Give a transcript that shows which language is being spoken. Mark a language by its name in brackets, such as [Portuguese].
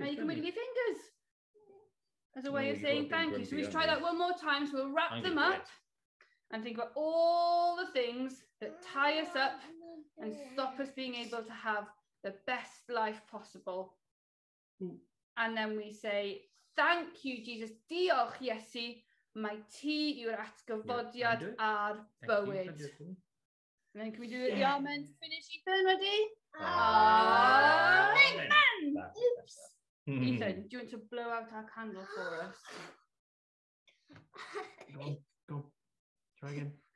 [English] Now you can wiggle your fingers. As a way of saying thank you. So we should try that one more time. So we'll wrap them up and think about all the things that tie us up and stop us being able to have the best life possible. And then we say, thank you, Jesus. [Welsh] Diolch, Iesu. Mae ti yw'r atgyfodiad ar bywyd. [English] And then can we do it the amen to finish, Ethan, ready? Amen! Amen. Oops. Ethan, do you want to blow out our candle for us? Go on, go on. Try again.